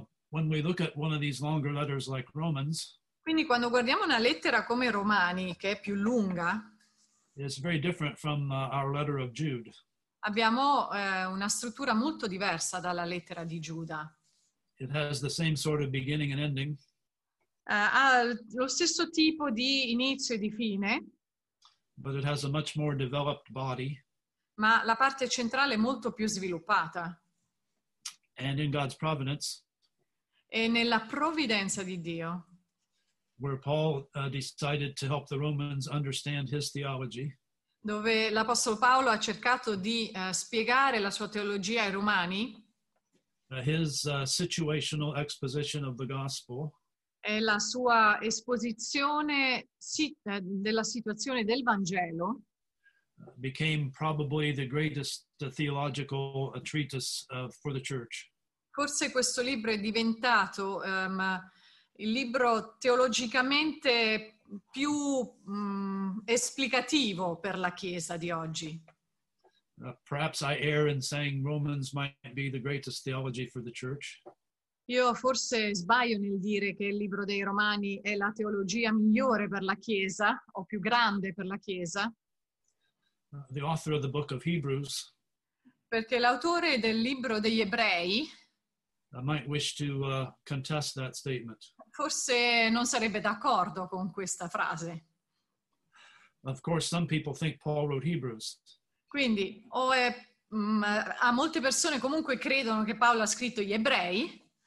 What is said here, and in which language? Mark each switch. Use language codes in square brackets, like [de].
[en] When we look at one of these longer letters like Romans. [it] Quindi quando guardiamo una lettera come Romani, che è più lunga. [en] It's very different from our letter of Jude. [it] Abbiamo una struttura molto diversa dalla lettera di Giuda. [en] It has the same sort of beginning and ending. [it] Ha lo stesso tipo di inizio e di fine. [en] But it has a much more developed body. [it] Ma la parte centrale è molto più sviluppata. [en] And in God's providence. [it] E nella provvidenza di Dio. [en] Where Paul decided to help the Romans understand his theology. [it] Dove l'apostolo Paolo ha cercato di spiegare la sua teologia ai Romani. [en] His situational exposition of the gospel. [it] E la sua esposizione della situazione del Vangelo. [en] Became probably the greatest theological treatise for the church. [it] Forse questo libro è diventato il libro teologicamente più esplicativo per la Chiesa di oggi. [en] Perhaps I err in saying Romans might be the greatest theology for the church. [it] Io forse sbaglio nel dire che il libro dei Romani è la teologia migliore per la Chiesa o più grande per la Chiesa. [en] The author of the book of Hebrews. [it] Perché l'autore del libro degli Ebrei. [en] I might wish to contest that statement. [it] Forse non sarebbe d'accordo con questa frase. [en] Of course, some people think Paul wrote Hebrews. [it] Quindi, a molte persone comunque credono che Paolo ha scritto gli Ebrei.